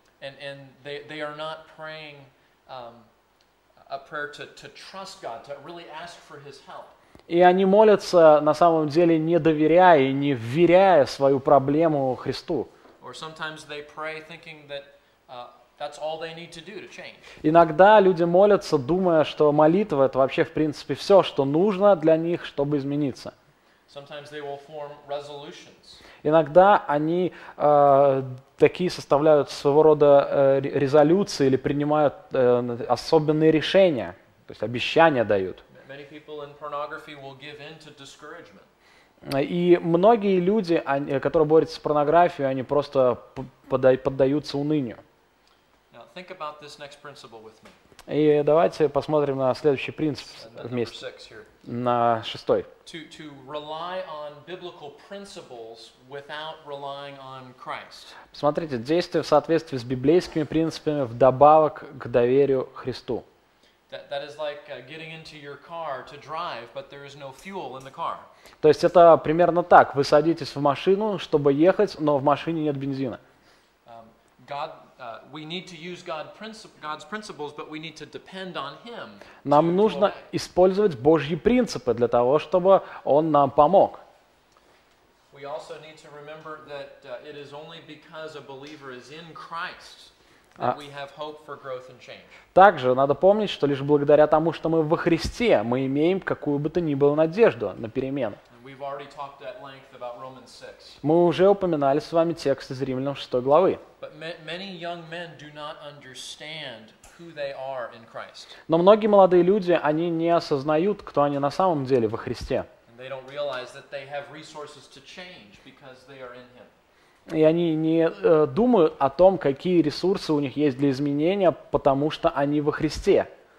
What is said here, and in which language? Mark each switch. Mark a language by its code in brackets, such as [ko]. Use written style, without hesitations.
[en] And they are not praying a prayer to trust God, to really ask for His help. [ru] И они молятся на самом деле не доверяя и не вверяя свою проблему Христу. [en] Or sometimes they pray thinking that that's all they need to do to change. [ru] Иногда люди молятся, думая, что молитва это вообще в принципе все, что нужно для них, чтобы измениться. [en] Sometimes they will form resolutions. [ru] Иногда они такие составляют своего рода резолюции или принимают особенные решения, то есть обещания дают. [en] Many people in pornography will give in to discouragement. [ru] И многие люди, они, которые борются с порнографией, они просто поддаются унынию. [en] Now, think about this next principle with me. [ru] И давайте посмотрим на следующий принцип вместе, на шестой. [en] To rely on biblical principles without relying on Christ. [ru] Смотрите, действие в соответствии с библейскими принципами вдобавок к доверию Христу. [en] That is like getting into your car to drive, but there is no fuel in the car. [ru] То есть это примерно так. Вы садитесь в машину, чтобы ехать, но в машине нет бензина. [en] God, we need to use God's principles, but we need to depend on Him. [ru] Нам нужно использовать Божьи принципы для того, чтобы Он нам помог. [en] We also need to remember that it is only because a believer is in Christ. We have hope for growth and change. [ru] Также надо помнить, что лишь благодаря тому, что мы во Христе, мы имеем какую бы то ни было надежду на перемены. [en] We've already talked at length about Romans 6. [ru] Мы уже упоминали с вами текст из Римлянам 6 главы. [en] But many young men do not understand who they are in Christ. [ru] Но многие молодые люди, они не осознают, кто они на самом деле во Христе. [en] And they don't realize that they have resources to change because they are in Him. [ru] И они не думают о том, какие ресурсы у них есть для изменения, потому что они во Христе.